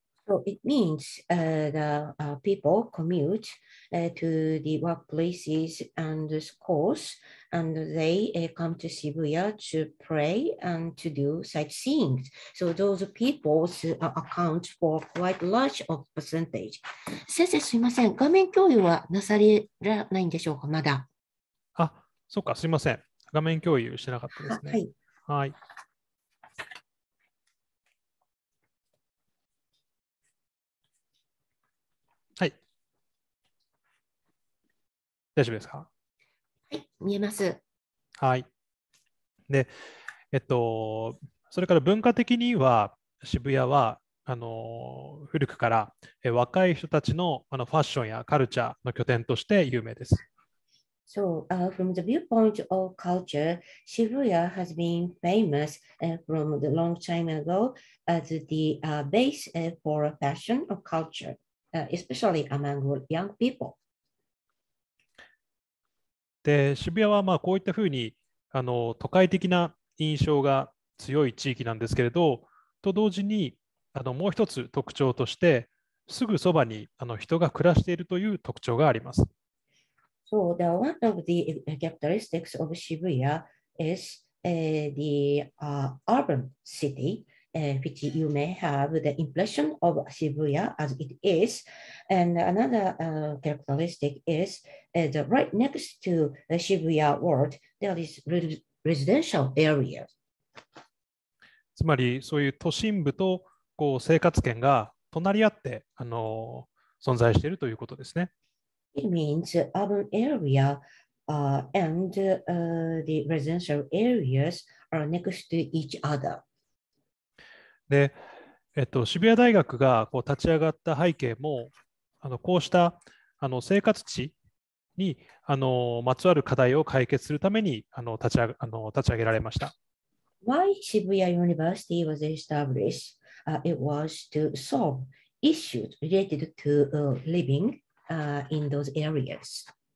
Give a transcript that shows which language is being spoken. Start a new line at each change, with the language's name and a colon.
English: So it means the people commute to the workplaces and schools, and they come to Shibuya to pray and to do sightseeing. So those peoples account for quite large of percentage.
Japanese: 先生すいません、画面共有はなされないんでしょうか、まだ。あ、そうか、すいません、画面共有してなかったですね。はい。はい。大丈夫ですか。はい、見えます。はい。で、それから文化的には渋谷は古くから若い人たちのファッションやカルチャーの拠点として有名です。
English: So, from the viewpoint of culture, Shibuya has been famous from the long time ago as the base for fashion or culture, especially among young people.
Japanese: で、渋谷はまあこういったふうに都会的な印象が強い地域なんですけれど、と同時にもう一つ特徴として、すぐそばに人が暮らしているという特徴があります。
English: So the one of the characteristics of Shibuya is the urban city, which you may have the impression of Shibuya as it is, and another characteristic isright next to the Shibuya World, there is residential area.
Japanese: つまりそういう都心部とこう生活圏が隣り合って存在しているということですね。
English: It means urban area and the residential areas are next to each other.
Japanese: で、渋谷大学がこう立ち上がった背景も、こうした生活地にまつわる課題を解決するために立ち上げられました。
English: Why Shibuya University was established? It was to solve issues related to living in those areas.